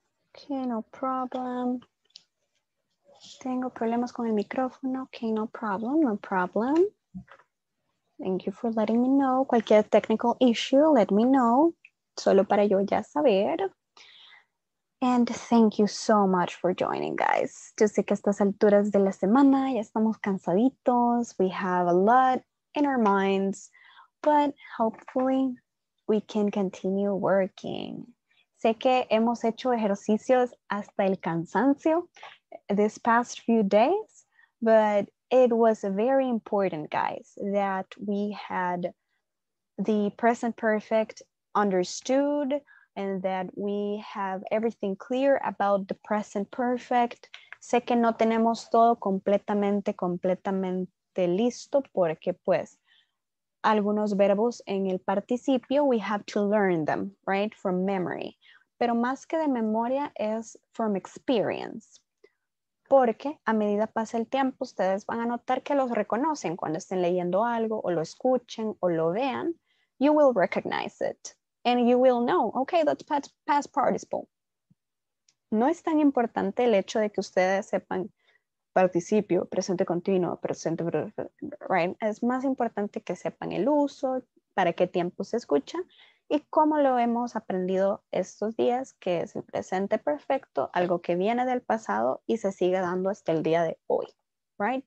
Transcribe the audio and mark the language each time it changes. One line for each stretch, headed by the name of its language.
English: Okay, no problem.
Spanish: Tengo problemas con el micrófono.
English: Okay, no problem. No problem. Thank you for letting me know.
Spanish: Cualquier
English: technical issue, let me know.
Spanish: Solo para yo ya saber.
English: And thank you so much for joining, guys.
Spanish: Yo sé que a estas alturas de la semana ya estamos cansaditos.
English: We have a lot in our minds, but hopefully we can continue working.
Spanish: Sé que hemos hecho ejercicios hasta el cansancio
English: this past few days, but it was very important, guys, that we had the present perfect understood and that we have everything clear about the present perfect.
Spanish: Sé que no tenemos todo completamente, completamente listo porque pues algunos verbos en el participio,
English: we have to learn them, right, from memory.
Spanish: Pero más que de memoria es
English: from experience.
Spanish: Porque a medida pasa el tiempo, ustedes van a notar que los reconocen cuando estén leyendo algo o lo escuchen o lo vean.
English: You will recognize it. And you will know, okay, that's past participle.
Spanish: No es tan importante el hecho de que ustedes sepan participio, presente continuo, presente, right? Es más importante que sepan el uso, para qué tiempo se escucha, y cómo lo hemos aprendido estos días, que es el presente perfecto, algo que viene del pasado y se sigue dando hasta el día de hoy, right?